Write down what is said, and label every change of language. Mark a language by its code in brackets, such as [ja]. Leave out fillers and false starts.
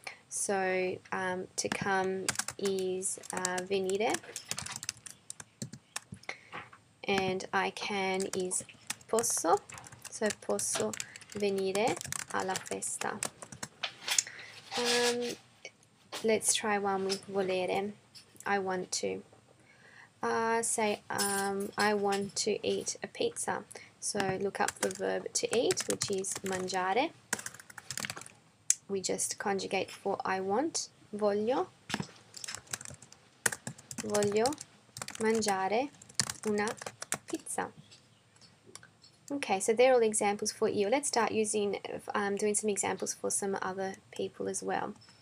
[en] So to come is venire, and I can is posso. [it] So posso venire alla festa. [en] Let's try one with volere. I want to. I want to eat a pizza. So look up the verb to eat, which is mangiare. We just conjugate for I want. [it] Voglio. Voglio mangiare una pizza. [en] Okay, so they're all examples for you. Let's start using, doing some examples for some other people as well.